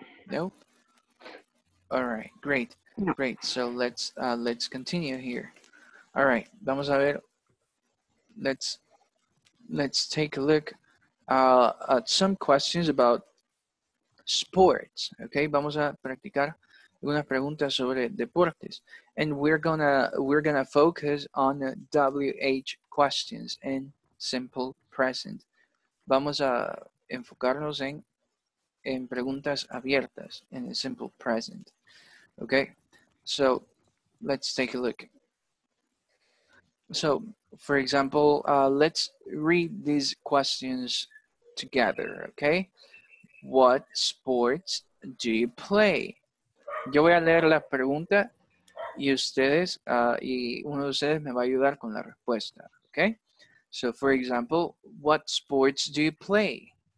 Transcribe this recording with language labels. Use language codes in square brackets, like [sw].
[en] Nope. All right, great. No. Great. So let's continue here. All right, [es] vamos a ver. [en] Let's take a look at some questions about sports. [es] Okay, vamos a practicar algunas preguntas sobre deportes. [en] And we're gonna focus on WH questions and simple present. [es] Vamos a enfocarnos en preguntas abiertas [en] in a simple present. Okay, so let's take a look. So, for example, let's read these questions together, okay? What sports do you play? [es] Yo voy a leer la pregunta y ustedes, y uno de ustedes me va a ayudar con la respuesta, okay? [en] So, for example, what sports do you play?